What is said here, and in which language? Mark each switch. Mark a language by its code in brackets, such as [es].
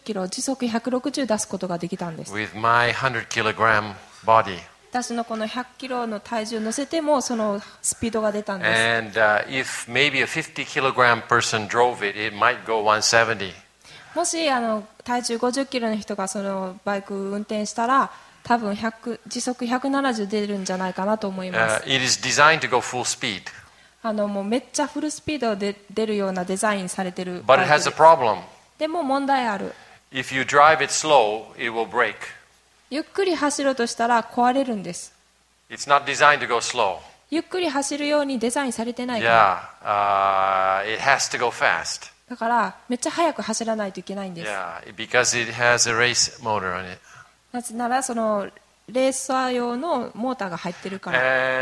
[ja] キロ、時速160出すことができたんです。 [en] With my 100 kilogram body. [ja] 私のこの100キロの体重を乗せてもそのスピードが出たんです。 [en] And if maybe a 50 kilogram person drove it, it might go 170. [ja] もし体重50キロの人がそのバイクを運転したら、多分時速170出るんじゃないかなと思います。 [en] It is designed to go full speed. [ja] もうめっちゃフルスピードで出るようなデザインされてるバイク。 [en] But it has a problem. [ja] でも問題ある。 [en] If you drive it slow, it will break. [ja] ゆっくり走ろうとしたら壊れるんです。 [en] It's not designed to go slow. [ja] ゆっくり走るようにデザインされてないから。 [en] Yeah, it has to go fast. [ja] だからめっちゃ速く走らないといけないんです。 [en] Yeah, because it has a race motor on it. [ja] なぜならそのレーサー用のモーターが入ってるから。